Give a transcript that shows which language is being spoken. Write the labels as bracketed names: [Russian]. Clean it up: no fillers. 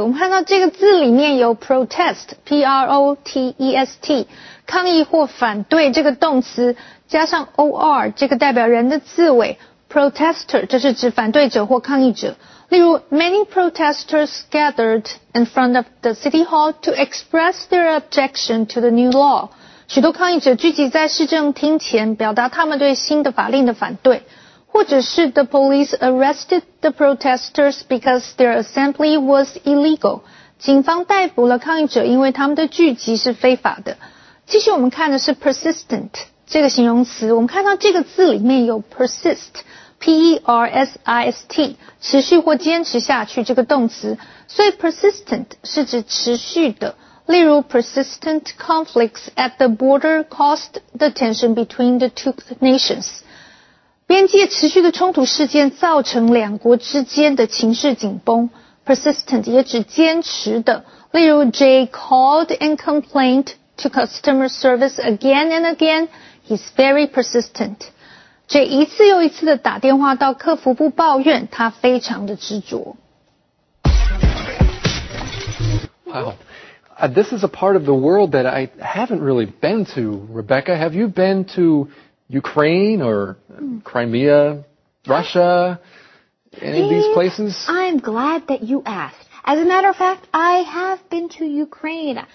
[Chinese] 我们看到这个字里面有 protest, P-R-O-T-E-S-T, 抗议或反对这个动词，加上 O-R, 这个代表人的字尾 ,protester, 这是指反对者或抗议者。 [English] 例如 ,many protesters gathered in front of the city hall to express their objection to the new law. [Chinese] 许多抗议者聚集在市政厅前表达他们对新的法令的反对。或者是 [English] the police arrested the protesters because their assembly was illegal. [Chinese] 警方逮捕了抗议者因为他们的聚集是非法的。继续我们看的是 persistent, 这个形容词。我们看到这个字里面有 persist, P-E-R-S-I-S-T, 持续或坚持下去这个动词。所以 persistent 是指持续的。 [English] 例如 persistent conflicts at the border caused the tension between the two nations. [Chinese] 边界持续的冲突事件造成两国之间的情势紧绷。 Persistent 也指坚持的。 [English] 例如 Jay called and complained to customer service again and again. He's very persistent. [Chinese] Jay 一次又一次的打电话到客服部抱怨，他非常的执着。 [English] Wow. This is a part of the world that I haven't really been to. Rebecca, have you been to... Ukraine or Crimea, Russia, any of these places? I'm glad that you asked. As a matter of fact, I have been to Ukraine.